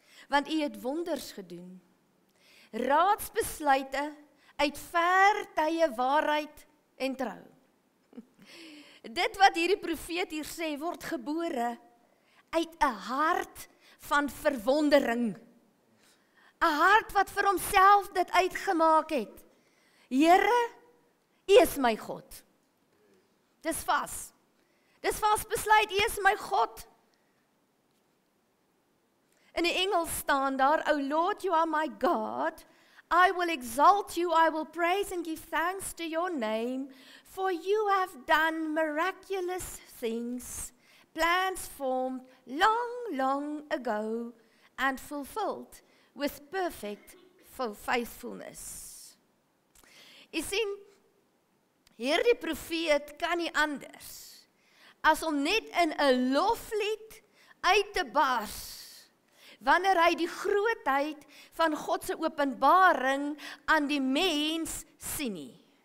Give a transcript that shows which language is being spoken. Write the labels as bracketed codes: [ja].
[af] Want U het wonders gedoen. Raadsbesluite uit ver tye waarheid en trou. Dit wat hierdie profeet hier sê, word gebore uit 'n hart van verwondering. 'N hart wat vir homself dit uitgemaak het. Here, U is my God. Dis vas. Dis vas besluit, U is my God. In die Engels staan daar, [en] O Lord, You are my God, I will exalt You, I will praise and give thanks to Your name, for You have done miraculous things, plans formed long, long ago, and fulfilled with perfect faithfulness. Jy sien, hierdie profeet kan nie anders, as om net in 'n loflied uit te bars, wanneer hy die grootheid van God se openbaring aan die mens sien nie.